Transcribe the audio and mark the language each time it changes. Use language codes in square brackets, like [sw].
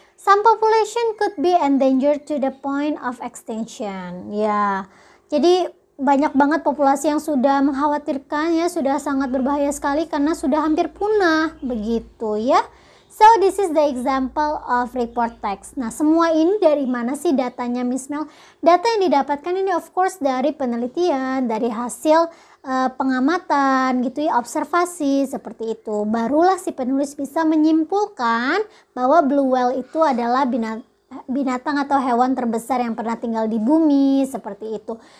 [en] Some population could be endangered to the point of extinction. [id] Ya, jadi banyak banget populasi yang sudah mengkhawatirkan ya, sudah sangat berbahaya sekali karena sudah hampir punah, begitu ya. [en] So this is the example of report text. [id] Nah, semua ini dari mana sih datanya, Miss Mel? Data yang didapatkan ini of course dari penelitian, dari hasil pengamatan gitu ya, observasi seperti itu. Barulah si penulis bisa menyimpulkan bahwa blue whale itu adalah binatang atau hewan terbesar yang pernah tinggal di bumi seperti itu.